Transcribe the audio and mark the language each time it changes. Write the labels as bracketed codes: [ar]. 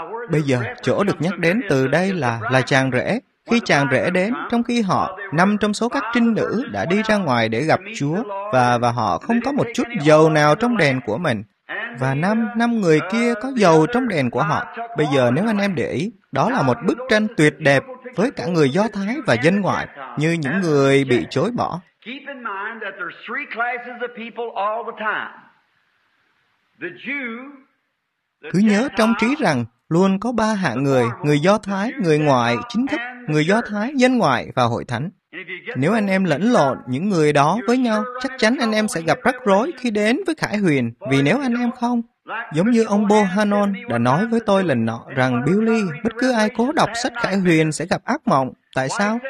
[vi] Bây giờ, chỗ được nhắc đến từ đây là chàng rể. Khi chàng rể đến, trong khi họ, năm trong số các trinh nữ đã đi ra ngoài để gặp Chúa, và họ không có một chút dầu nào trong đèn của mình. Và năm người kia có dầu trong đèn của họ. Bây giờ, nếu anh em để ý, đó là một bức tranh tuyệt đẹp với cả người Do Thái và dân ngoại, như những người bị chối bỏ. [en] Keep in mind that there's three classes of people all the time. The Jew, [vi] cứ nhớ trong trí rằng luôn có ba hạng người, người Do Thái, người ngoại chính thức, người Do Thái, dân ngoại và hội thánh. Nếu anh em lẫn lộn những người đó với nhau, chắc chắn anh em sẽ gặp rắc rối khi đến với Khải Huyền, vì nếu anh em không, giống như ông Bo Hanon đã nói với tôi lần nọ rằng Billy, bất cứ ai cố đọc sách Khải Huyền sẽ gặp ác mộng. Tại sao?